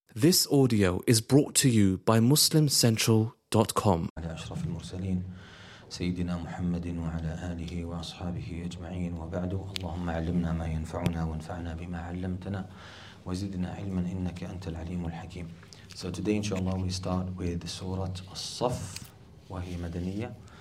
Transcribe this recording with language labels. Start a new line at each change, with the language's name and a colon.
English: This audio is brought to you by MuslimCentral.com.
Arabic: على أشرف المرسلين سيدنا محمد وعلى آله وأصحابه أجمعين وبعد اللهم علمنا ما ينفعنا وانفعنا بما علمتنا وزدنا علما إنك أنت العليم الحكيم.
English: So today inshallah we start with Surah As-Saff
Arabic: وهي مدنية.